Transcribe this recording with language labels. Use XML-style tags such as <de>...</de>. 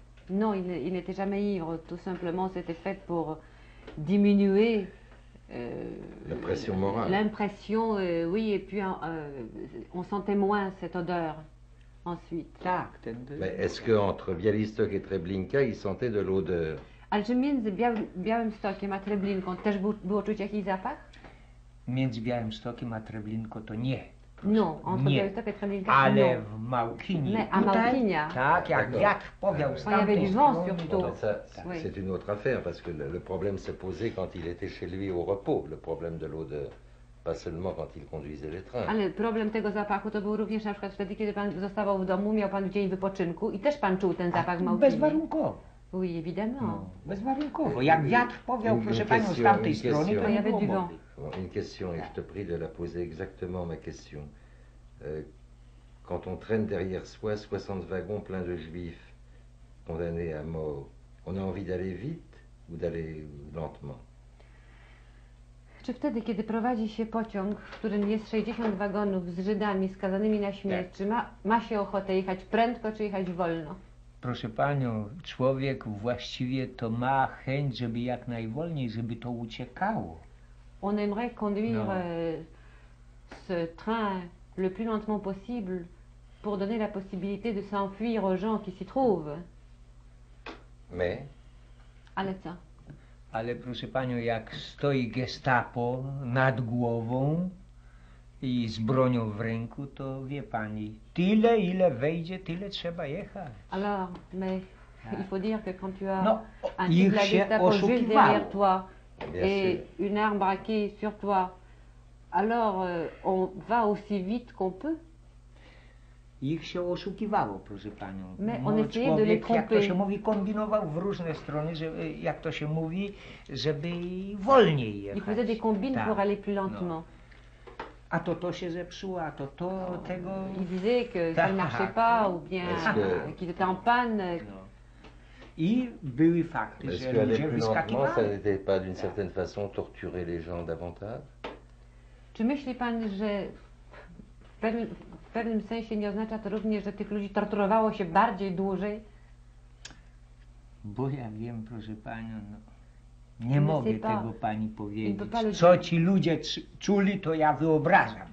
<fr>No, il n'était jamais ivre. Tout simplement, c'était fait pour diminuer... La pression morale. L'impression, oui, et puis on sentait moins cette odeur. Ensuite.</fr> <pl>Tak,</pl> <fr>mais est-ce que entre Białystok et Treblinka, ils sentaient de l'odeur?</fr> <pl>Ale czy między Białymstokiem a Treblinką też było czuć jakiś zapach? Między Białymstokiem a Treblinką to nie.</pl> <fr>Non, entre</fr> <pl>nie.</pl> <fr>Białystok i Treblinka.</fr> <pl>Ale</pl> <fr>non.</fr> <pl>W Małkinie.</pl> <fr>Mais à Małkinia.</fr> <pl>Tak, jak wiatr powiał stamtąd.</pl> <fr>Il y avait du vent surtout. Ça, c'est une autre affaire parce que le problème s'est posé quand il était chez lui au repos, le problème de l'odeur. Pas seulement quand il conduisait les trains.</fr> <pl>Ale problem tego zapachu to był również na przykład wtedy, kiedy pan zostawał w domu, miał pan dzień wypoczynku i też pan czuł ten zapach w Małkinie. Bezwarunkowo.</pl> <fr>Oui, évidemment. Non.</fr> <pl>Bezwarunkowo. Jak wiatr powiał, proszę panią, z tamtej strony, to jest</pl> <fr>du vent. Une question, et je te prie de la poser exactement ma question. Quand on traîne derrière soi 60 wagons pleins de juifs condamnés à mort, on a envie d'aller vite ou d'aller lentement?</fr> <pl>Czy wtedy, kiedy prowadzi się pociąg, w którym jest 60 wagonów z Żydami skazanymi na śmierć, czy ma się ochotę jechać prędko, czy jechać wolno? Proszę panią, człowiek właściwie to ma chęć, żeby jak najwolniej, żeby to uciekało.</pl> <fr>On aimerait conduire ce train le plus lentement possible pour donner la possibilité de s'enfuir aux gens qui s'y trouvent. Mais?</fr> <pl>Ale co? Ale proszę panią, jak stoi Gestapo nad głową i z bronią w ręku, to wie pani, tyle ile wejdzie, tyle trzeba jechać.</pl> <fr>Alors, mais il faut dire que quand tu as</fr> <pl>no,</pl> <fr>un type de Gestapo juste derrière toi, et une arme braquée sur toi, alors on va aussi vite qu'on peut.</fr> <pl>Ich się oszukiwało, proszę panią.</pl> <fr>Mais on essayait de les tromper.</fr> <pl>Jak to się mówi, kombinował w różne strony, żeby, jak to się mówi, żeby wolniej jechać.</pl> <fr>Il faisait des combines pour aller plus lentement.</fr> <pl>No. A to się zepsuło, a to no. Tego...</pl> <fr>Il disait que ça ne marchait pas, ou bien qu'il était en panne.</fr> <pl>No. I były fakty,</pl> <fr>est-ce</fr> <pl>że</pl> <fr>que aller plus lentement, ça n'était pas d'une certaine façon torturer les gens davantage?</fr> <pl>Czy myśli pan, że w pewnym sensie nie oznacza to również, że tych ludzi torturowało się bardziej dłużej? Bo ja wiem, proszę panią, no, nie mogę tego pani powiedzieć. Co ci ludzie czuli, to ja wyobrażam.</pl>